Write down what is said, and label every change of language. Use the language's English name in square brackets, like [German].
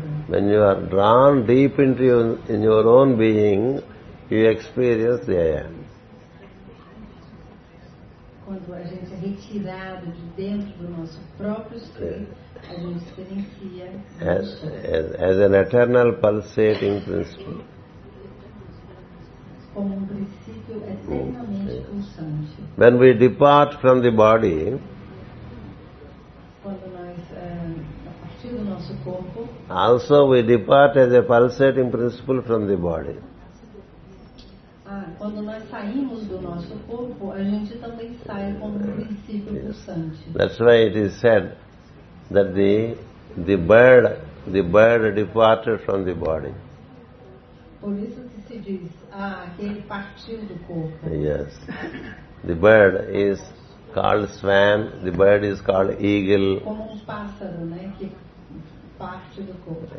[English] When you are drawn deep into your own being, you experience the I am. [Portuguese] Quando a gente é retirado de dentro do nosso próprio ser, a gente experiencia [English] as an eternal pulsating principle. [Portuguese] Como princípio eternamente pulsante. [English] When we depart from the body, [Portuguese] quando nós partimos do nosso corpo, [English] also we depart as a pulsating principle from the body. [Portuguese] Quando nós saímos do nosso corpo, a gente também sai como um princípio pulsante. [English] That's why it is said that the bird departed from the body. [Portuguese] Por isso que se diz, que ele partiu do corpo. [English] Yes. The bird is called swan, the bird is called eagle. [Portuguese] Como um pássaro, né, que parte do corpo.